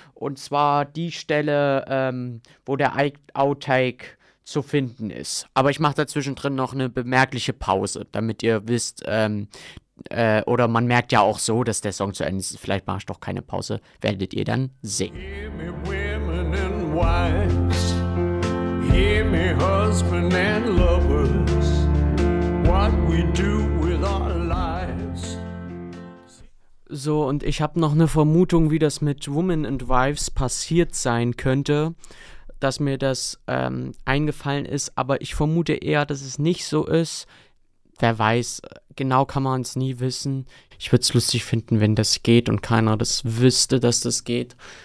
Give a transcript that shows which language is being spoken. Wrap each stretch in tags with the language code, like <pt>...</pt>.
<de>Und zwar die Stelle, wo der Outtake zu finden ist. Aber ich mache dazwischen drin noch eine bemerkliche Pause, damit ihr wisst, oder man merkt ja auch so, dass der Song zu Ende ist. Vielleicht mache ich doch keine Pause. Werdet ihr dann sehen.</de> <en>Hear me, women and wives. Hear me, husband and lovers. What we do with our lives.</en> <de>So, und ich habe noch eine Vermutung, wie das mit Women and Wives passiert sein könnte, dass mir das eingefallen ist, aber ich vermute eher, dass es nicht so ist. Wer weiß, genau kann man es nie wissen. Ich würde es lustig finden, wenn das geht und keiner das wüsste, dass das geht.</de>